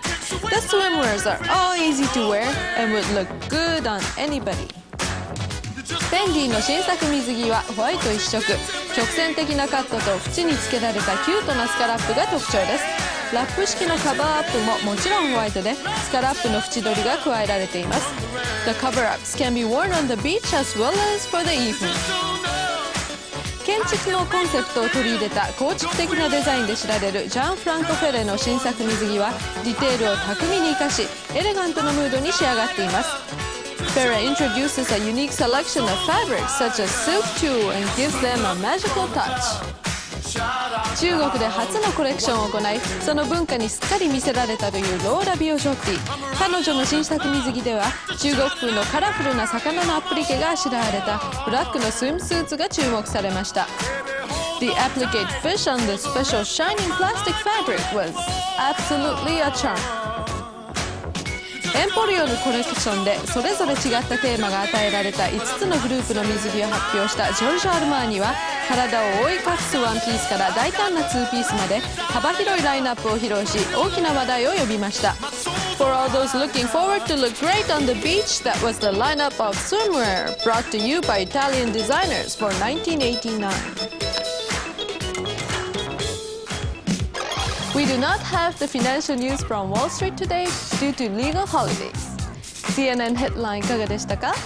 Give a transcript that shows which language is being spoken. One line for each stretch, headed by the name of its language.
English: The swimwears are all easy to wear and would look good on anybody.
Japanese: フェンディの新作水着はホワイト一色、直線的なカットと縁につけられたキュートなスカラップが特徴です。ラップ式のカバーアップももちろんホワイトで、スカラップの縁取りが加えられています。
English: The cover ups can be worn on the beach as well as for the evening.
Japanese: 建築のコンセプトを取り入れた構築的なデザインで知られるジャン・フランコ・フェレの新作水着はディテールを巧みに生かし、エレガントなムードに仕上がっています。
English: Ferre introduces a unique selection of fabrics such as silk tulle and gives them a magical touch.
Japanese: 中国で初のコレクションを行い、その文化にすっかり魅せられたというローラ・ビオジョッティ。彼女の新作水着では中国風のカラフルな魚のアプリケがあしらわれたブラックのスイムスーツが注目されました。
English: The applicate fish on the special shining plastic fabric was absolutely a charm.
Japanese: エンポリオのコレクションでそれぞれ違ったテーマが与えられた5つのグループの水着を発表したジョルジュ・アルマーニは、体を覆い隠すワンピースから大胆なツーピースまで幅広いラインナップを披露し、大きな話題を呼びました。
English: For all those looking forward to look great on the beach, that was the lineup of swimwear brought to you by Italian designers for 1989. We do not have the financial news from Wall Street today due to legal holidays. CNN headline
Japanese: いかがでしたか？